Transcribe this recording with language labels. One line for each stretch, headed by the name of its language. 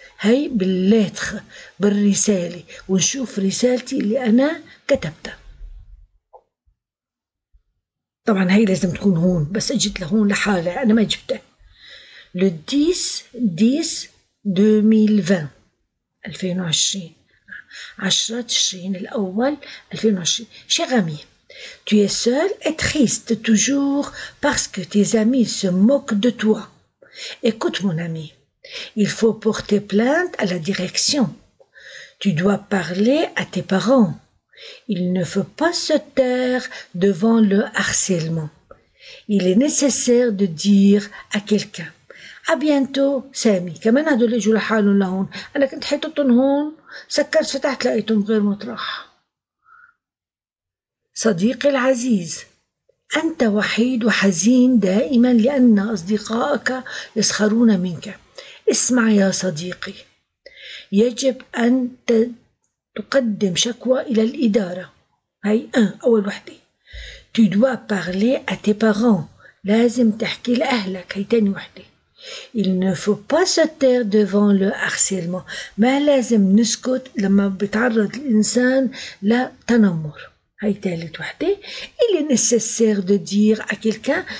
Arabic: هاي باللاتخ بالرسالة ونشوف رسالتي اللي أنا كتبتها. طبعا هاي لازم تكون هون، بس أجيت لهون لحالة أنا ما جبتها. لديس ديس 2020 عشرة تشرين الأول 2020.
French: شي غامي tu es seul et triste toujours parce que tes amis se moquent de toi. Écoute mon ami, il faut porter plainte à la direction. Tu dois parler à tes parents. Il ne faut pas se taire devant le harcèlement. Il est nécessaire de dire à quelqu'un. À bientôt, Sami.
Arabic: كمان هدول اجوا لحالهم لهون. انا كنت حاططهم هون، سكرت فتحت لقيتهم غير مطرح. صديقي العزيز، انت وحيد وحزين دائما لان اصدقائك يسخرون منك. اسمع يا صديقي، يجب أن تقدم شكوى إلى الإدارة. هاي أول وحدة.
French: Tu dois parler à tes parents.
Arabic: لازم تحكي لأهلك. هاي تاني وحدة.
French: Il ne faut pas se taire devant le harcèlement.
Arabic: ما لازم نسكت لما بتعرض الإنسان لتنمر. هاي تالت وحدة.
French: Il est nécessaire de dire à quelqu'un.